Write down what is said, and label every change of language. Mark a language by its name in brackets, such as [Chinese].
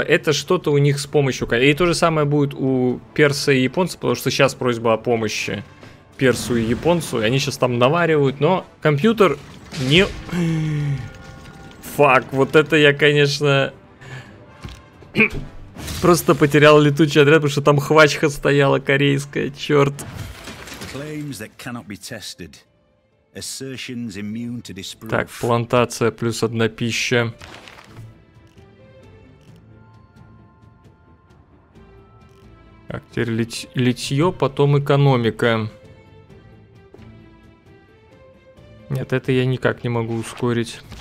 [Russian] Это что-то у них с помощью Кореи. И то же самое будет у перса и японца, потому что сейчас просьба о помощи персу и японцу. И они сейчас там наваривают, но компьютер не... Фак, вот это я, конечно, просто потерял летучий отряд, потому что там хвачка стояла корейская, черт. [English] Claims that cannot be tested. Assertions immune to disproof. [Russian] Так, плантация плюс одна пища. Так, теперь литье, потом экономика. Нет, это я никак не могу ускорить.